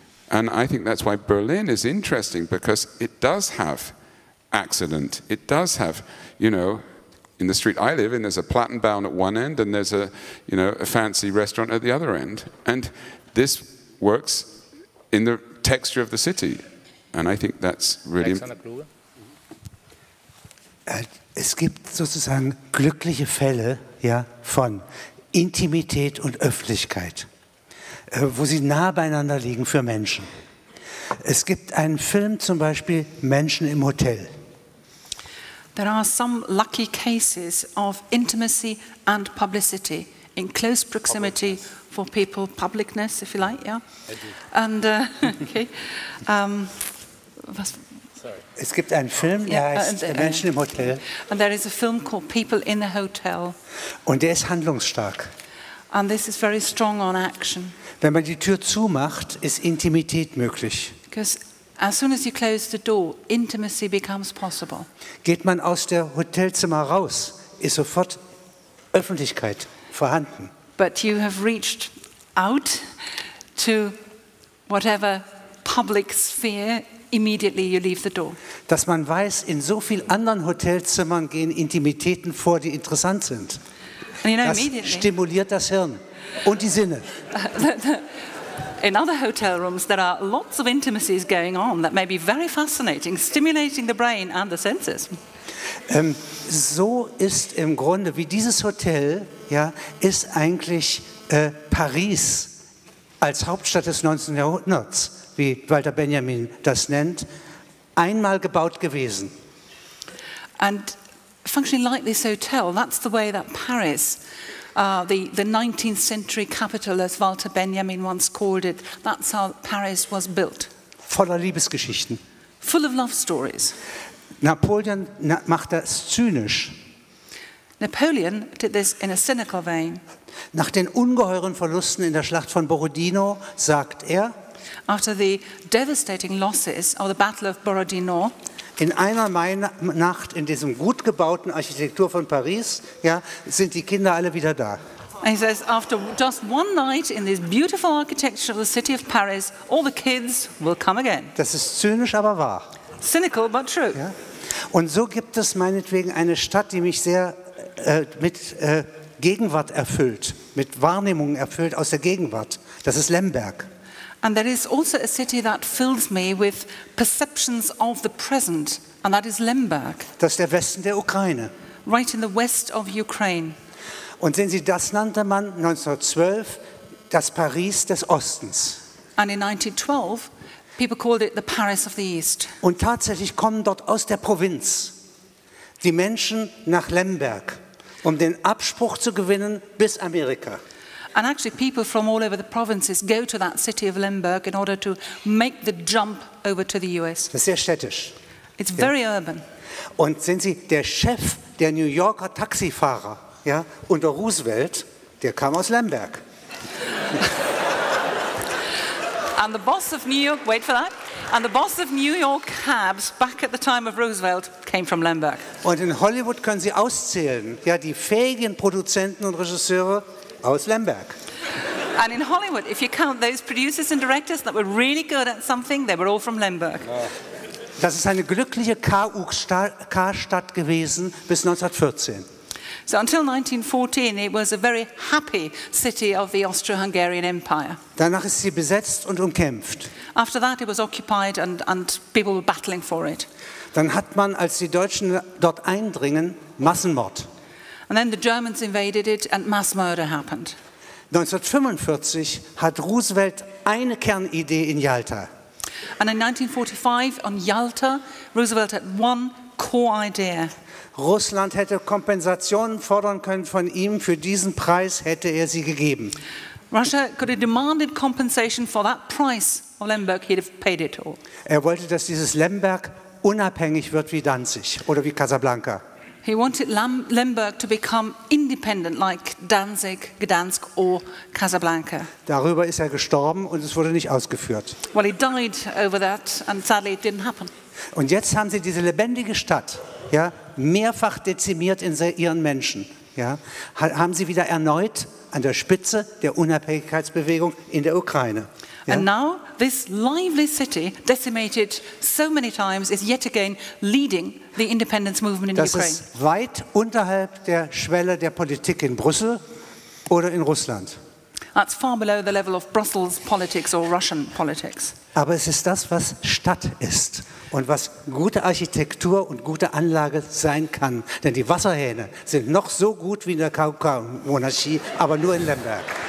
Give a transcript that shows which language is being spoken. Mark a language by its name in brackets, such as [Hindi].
[English] And I think that's why Berlin is interesting, because it does have accident. It does have, you know, in the street I live in, there's a Plattenbauen at one end and there's a, you know, a fancy restaurant at the other end. And this works in the texture of the city. And I think that's really... Alexander Kluge. [German] es gibt sozusagen glückliche Fälle, ja, von Intimität und Öffentlichkeit, wo sie nah beieinander liegen für Menschen. Es gibt einen Film zum Beispiel Menschen im Hotel. [English] There are some lucky cases of intimacy and publicity in close proximity for people, publicness, if you like, yeah. And [German] Es gibt einen Film, der heißt Menschen im Hotel. [English] And there is a film called People in the Hotel. [German] Und der ist handlungsstark. [English] And this is very strong on action. [German] Wenn man die Tür zumacht, ist Intimität möglich. [English] Because as soon as you close the door, intimacy becomes possible. [German] Geht man aus der Hotelzimmer raus, ist sofort Öffentlichkeit vorhanden. [English] But you have reached out to whatever public sphere immediately you leave the door. [German] Dass man weiß, in so vielen anderen Hotelzimmern gehen Intimitäten vor, die interessant sind. [English] And you know, [German] das stimuliert das Hirn und die Sinne. [English] In other hotel rooms, there are lots of intimacies going on that may be very fascinating, stimulating the brain and the senses. [German] So ist im Grunde, wie dieses Hotel, ja, ist eigentlich Paris als Hauptstadt des 19. Jahrhunderts, wie Walter Benjamin das nennt, einmal gebaut gewesen. [English] And functioning like this hotel, that's the way that Paris, the 19th century capital, as Walter Benjamin once called it, that's how Paris was built. [German] Voller Liebesgeschichten. [English] Full of love stories. [German] Napoleon macht das zynisch. [English] Napoleon did this in a cynical vein. [German] Nach den ungeheuren Verlusten in der Schlacht von Borodino sagt er, [English] after the devastating losses of the Battle of Borodino, [German] in einer Nacht in diesem gut gebauten Architektur von Paris, ja, sind die Kinder alle wieder da. [English] He says, after just one night in this beautiful architecture of the city of Paris, all the kids will come again. [German] Das ist zynisch, aber wahr. [English] Cynical, but true. [German] Ja? Und so gibt es meinetwegen eine Stadt, die mich sehr mit Gegenwart erfüllt, mit Wahrnehmungen erfüllt aus der Gegenwart. Das ist Lemberg. [English] And there is also a city that fills me with perceptions of the present, and that is Lemberg. [German] Das ist der Westen der Ukraine. [English] Right in the west of Ukraine. [German] Und sehen Sie, das nannte man 1912 das Paris des Ostens. [English] And in 1912, people called it the Paris of the East. [German] Und tatsächlich kommen dort aus der Provinz die Menschen nach Lemberg, um den Abspruch zu gewinnen bis Amerika. [English] And actually people from all over the provinces go to that city of Lemberg in order to make the jump over to the US. [German] Das ist sehr städtisch. [English] It's very urban. [German] Und sehen Sie, der Chef der New Yorker Taxifahrer, ja, unter Roosevelt, der kam aus Lemberg. [English] And the boss of New York, wait for that. And the boss of New York cabs back at the time of Roosevelt came from Lemberg. [German] Und in Hollywood können Sie auszählen, ja, die fähigen Produzenten und Regisseure aus Lemberg. [English] And in Hollywood, if you count those producers and directors that were really good at something, they were all from Lemberg. [German] Das ist eine glückliche K-Stadt gewesen bis 1914. [English] So until 1914, it was a very happy city of the Austro-Hungarian Empire. [German] Danach ist sie besetzt und umkämpft. [English] After that, it was occupied and people were battling for it. [German] Dann hat man, als die Deutschen dort eindringen, Massenmord. [English] And then the Germans invaded it and mass murder happened. [German] 1945 hat Roosevelt eine Kernidee in Yalta. [English] And in 1945 on Yalta, Roosevelt had one core idea. [German] Russland hätte Kompensationen fordern können von ihm, für diesen Preis hätte er sie gegeben. [English] Russia could have demanded compensation for that price of Lemberg, he'd have paid it all. [German] Er wollte, dass dieses Lemberg unabhängig wird wie Danzig oder wie Casablanca. [English] He wanted Lemberg to become independent like Danzig, Gdansk or Casablanca. [German] Darüber ist er gestorben und es wurde nicht ausgeführt. [English] Well, he died over that and sadly it didn't happen. [German] Und jetzt haben sie diese lebendige Stadt, ja, mehrfach dezimiert in ihren Menschen, ja, haben sie wieder erneut an der Spitze der Unabhängigkeitsbewegung in der Ukraine. Ja? [English] And now this lively city, decimated so many times, is yet again leading the independence movement in [German] das [English] Ukraine. [German] Das ist weit unterhalb der Schwelle der Politik in Brüssel oder in Russland. [English] That's far below the level of Brussels politics or Russian politics. [German] Aber es ist das, was Stadt ist und was gute Architektur und gute Anlage sein kann. Denn die Wasserhähne sind noch so gut wie in der Kaukau-Monarchie, aber nur in Lemberg.